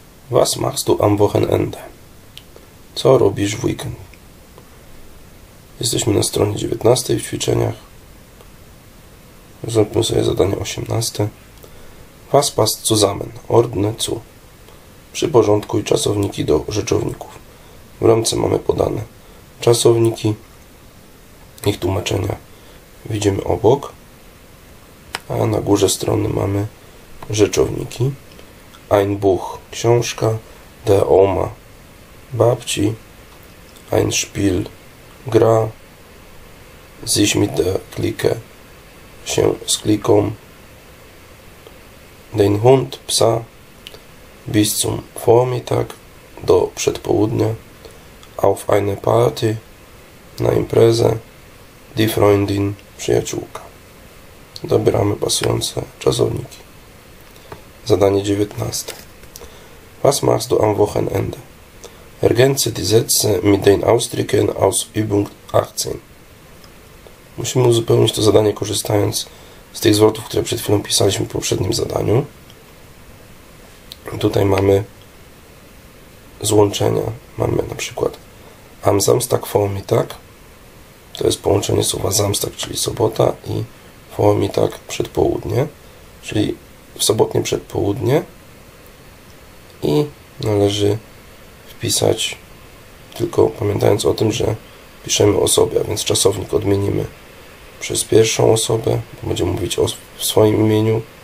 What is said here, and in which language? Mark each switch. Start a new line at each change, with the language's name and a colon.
German: Was machst du am Wochenende?
Polish: Co robisz w weekend? Jesteśmy na stronie 19 w ćwiczeniach. Zróbmy sobie zadanie 18.
German: Was passt zusammen? Ordne zu.
Polish: Przyporządkuj czasowniki do rzeczowników. W ramce mamy podane czasowniki, ich tłumaczenia widzimy obok, a na górze strony mamy rzeczowniki.
German: Ein Buch,
Polish: książka,
German: der Oma,
Polish: babci,
German: ein Spiel,
Polish: gra,
German: sich mit der Clique,
Polish: się z kliką,
German: den Hund,
Polish: psa,
German: bis zum Vormittag,
Polish: do przedpołudnia,
German: auf eine Party,
Polish: na imprezę,
German: die Freundin,
Polish: przyjaciółka. Dobieramy pasujące czasowniki. Zadanie 19.
German: Was machst du am Wochenende? Ergänze die Sätze mit den Ausdrücken aus Übung 18.
Polish: Musimy uzupełnić to zadanie, korzystając z tych zwrotów, które przed chwilą pisaliśmy w poprzednim zadaniu. Tutaj mamy złączenia. Mamy na przykład
German: am Samstag vormittag.
Polish: To jest połączenie słowa Samstag, czyli sobota, i vormittag, przedpołudnie, czyli w sobotnie przedpołudnie, i należy wpisać, tylko pamiętając o tym, że piszemy osobie, a więc czasownik odmienimy przez pierwszą osobę, bo będziemy mówić o swoim imieniu.